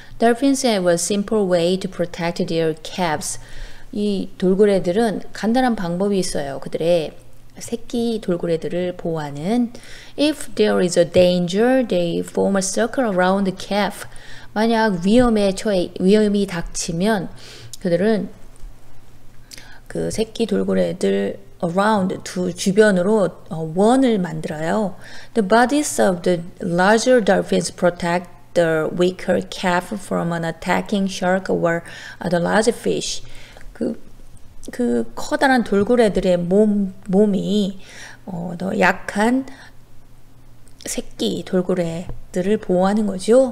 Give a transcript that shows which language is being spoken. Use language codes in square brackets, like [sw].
[en] Dolphins have a simple way to protect their calves. [ko] 이 돌고래들은 간단한 방법이 있어요. 그들의 새끼 돌고래들을 보호하는. [en] If there is a danger, they form a circle around the calf. [ko] 만약 위험이 닥치면 그들은 그 새끼 돌고래들 around 두 주변으로 원을 만들어요. [en] The bodies of the larger dolphins protect the weaker calf from an attacking shark or the large fish. [ko] 그 커다란 돌고래들의 몸이 더 약한 새끼 돌고래들을 보호하는 거죠.